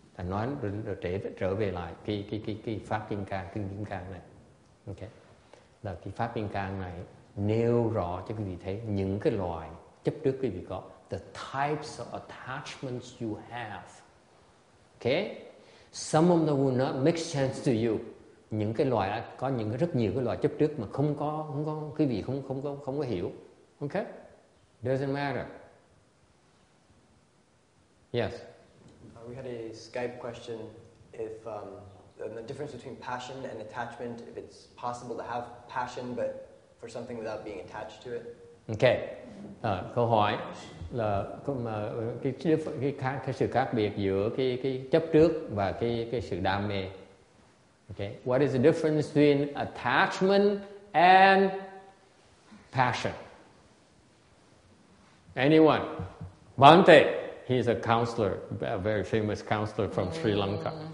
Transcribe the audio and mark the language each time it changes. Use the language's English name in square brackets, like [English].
[English] And not [Vietnamese] David, trở về lại cái pháp kim cang này. Okay, là cái pháp kim cang này nêu rõ cho quý vị thấy những cái loại chấp trước quý vị có, [English] the types of attachments you have. Okay, some of them will not make sense to you. [Vietnamese] Những cái loại có những rất nhiều cái loại chấp trước mà không có quý vị không có hiểu. [English] Okay, doesn't matter. Yes. We had a Skype question. If the difference between passion and attachment, if it's possible to have passion but for something without being attached to it. Okay. [Vietnamese] Câu hỏi là cái sự khác biệt giữa cái chấp trước và cái sự đam mê. [English] Okay. What is the difference between attachment and passion? Anyone? Bhante, he's a counselor, a very famous counselor from Sri Lanka.